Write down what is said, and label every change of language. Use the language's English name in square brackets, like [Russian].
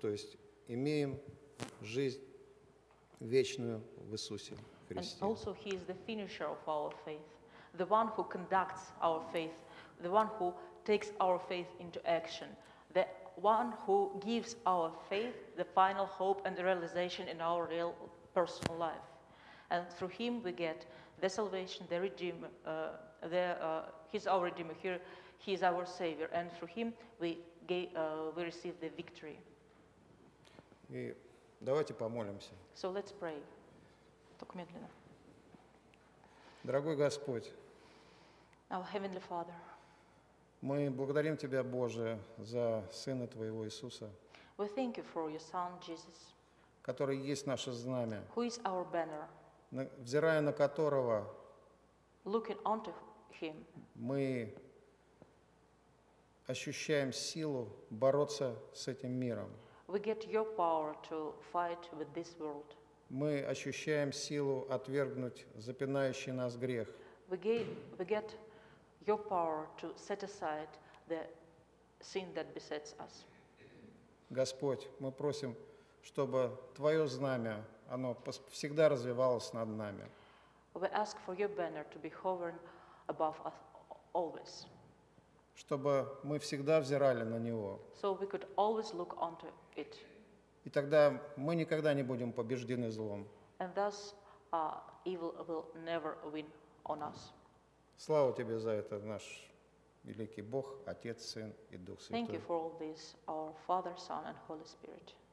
[Russian] То есть имеем жизнь вечную в Иисусе Христе. [English] And also he is the finisher of our faith, the one who conducts our faith, the one who takes our faith into action, the one who gives our faith the final hope and the realization in our real personal life. And through him we get the salvation, the redeemer, he's our redeemer here, he is our savior, and through him we receive the victory. [Russian] И давайте помолимся. [English] So let's pray. [Russian] Только медленно. Дорогой Господь, [English] our heavenly Father, [Russian] мы благодарим Тебя, Боже, за Сына Твоего Иисуса, [English] we thank you for your Son, Jesus, [Russian] который есть наше знамя, [English] who is our banner, [Russian] взирая на которого [English] looking onto him, [Russian] мы ощущаем силу бороться с этим миром. [English] We get your power to fight with this world. [Russian] мы ощущаем силу отвергнуть запинающий нас грех. [English] We get your power to set aside the sin that besets us. [Russian] Господь, мы просим, чтобы Твое знамя, оно всегда развивалось над нами. [English] We ask for your banner to be hovering above us always. [Russian] Чтобы мы всегда взирали на Него. [English] So we could always look onto it. [Russian] И тогда мы никогда не будем побеждены злом. [English] And thus, evil will never win on us. [Russian] Слава Тебе за это, наш великий Бог, Отец, Сын и Дух Святой. [English] Thank you for all this, our Father, Son, and Holy Spirit.